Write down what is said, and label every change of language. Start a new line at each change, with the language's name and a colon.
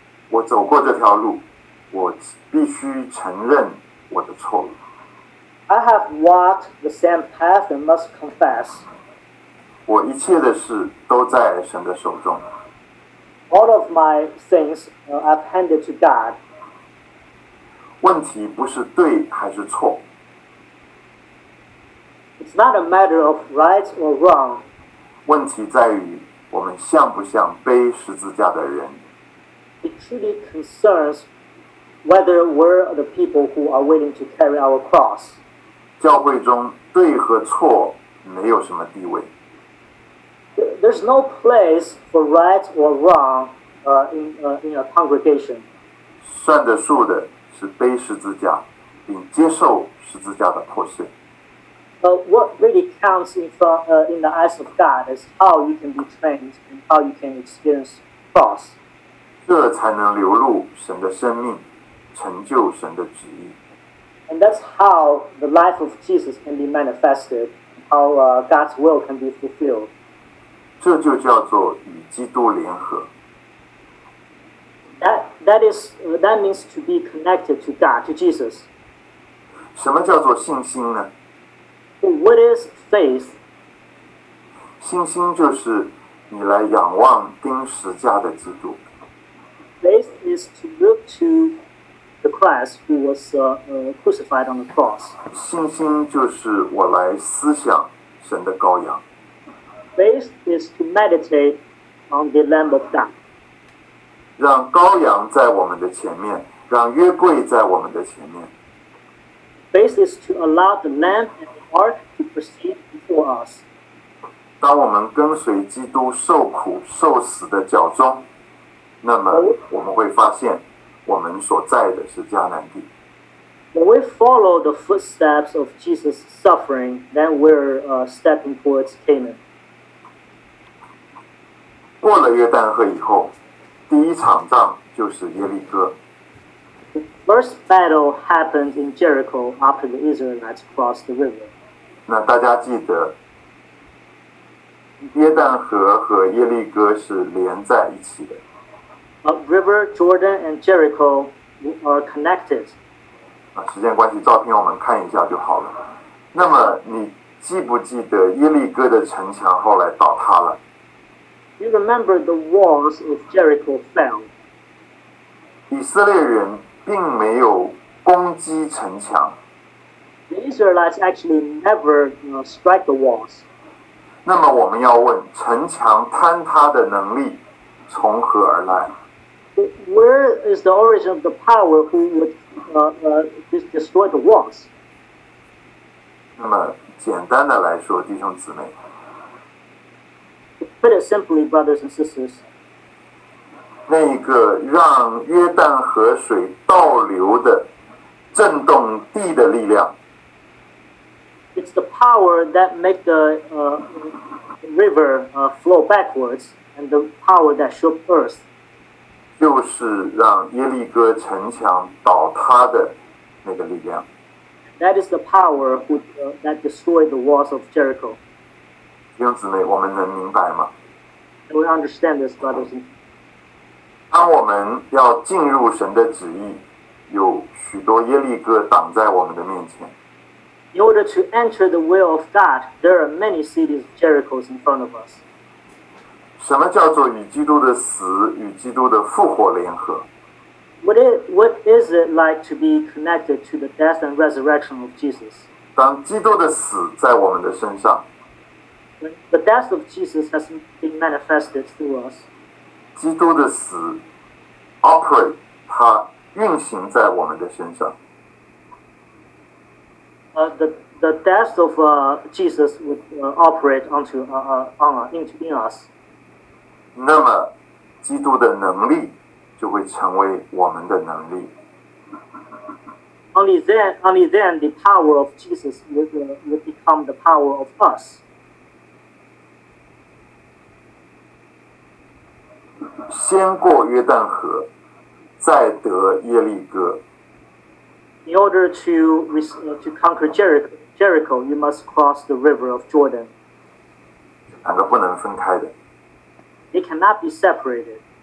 Chinese: 我走过这条路，我必须承认我的错误。
English: I have walked the same path and must confess.
Chinese: 我一切的事都在神的手中。
English: All of my things I've handed to God.
Chinese: 问题不是对还是错。
English: It's not a matter of right or wrong.
Chinese: 问题在于我们像不像背十字架的人。
English: It truly concerns whether we're the people who are willing to carry our cross.
Chinese: 教会中对和错没有什么地位。
English: There's no place for right or wrong in a congregation.
Chinese: 算得数的是背十字架，并接受十字架的迫切。
English: What really counts in the eyes of God is how you can be trained and how you can experience cross.
Chinese: 这才能流入神的生命，成就神的旨意。
English: And that's how the life of Jesus can be manifested, how God's will can be fulfilled.
Chinese: 这就叫做与基督联合。
English: That means to be connected to God, to Jesus.
Chinese: 什么叫做信心呢？
English: What is faith?
Chinese: 信心就是你来仰望钉十字架的基督。
English: Faith is to look to the Christ who was crucified on the cross.
Chinese: 信心就是我来思想神的羔羊。
English: Faith is to meditate on the Lamb of God.
Chinese: 让羔羊在我们的前面，让约柜在我们的前面。
English: Faith is to allow the Lamb and the Ark to proceed before us.
Chinese: 当我们跟随基督受苦受死的脚踪，那么我们会发现，我们所在的是迦南地。
English: When we follow the footsteps of Jesus' suffering, then we're stepping towards Canaan.
Chinese: 过了约旦河以后，第一场仗就是耶利哥。
English: The first battle happened in Jericho after the Israelites crossed the river.
Chinese: 那大家记得，约旦河和耶利哥是连在一起的。
English: A river Jordan and Jericho are connected.
Chinese: 时间关系，照片我们看一下就好了。那么你记不记得耶利哥的城墙后来倒塌了？
English: You remember the walls of Jericho fell.
Chinese: 以色列人并没有攻击城墙。
English: The Israelites actually never, strike the walls.
Chinese: 那么我们要问，城墙坍塌的能力从何而来？
English: Where is the origin of the power who would destroy the walls?
Chinese: 那么简单的来说，弟兄姊妹。
English: Put it simply, brothers and sisters.
Chinese: 那个让约旦河水倒流的震动地的力量。
English: It's the power that make the river flow backwards and the power that shook earth.
Chinese: 就是让耶利哥城墙倒塌的那个力量。
English: That is the power that destroyed the walls of Jericho.
Chinese: 弟兄姊妹，我们能明白吗？
English: We understand this, brothers.
Chinese: 当我们要进入神的旨意，有许多耶利哥挡在我们的面前。
English: In order to enter the will of God, there are many cities of Jericho in front of us.
Chinese: 什么叫做与基督的死与基督的复活联合？
English: What is it like to be connected to the death and resurrection of Jesus?
Chinese: 当基督的死在我们的身上，
English: When the death of Jesus has been manifested through us.
Chinese: 基督的死 operate 它运行在我们的身上。
English: The death of Jesus would operate onto in us.
Chinese: 那么基督的能力就会成为我们的能力。
English: Only then the power of Jesus will become the power of us.
Chinese: 先过约旦河再得耶利哥。
English: In order to conquer Jericho, you must cross the river of Jordan.
Chinese: 两个不能分开的。
English: They cannot be separated.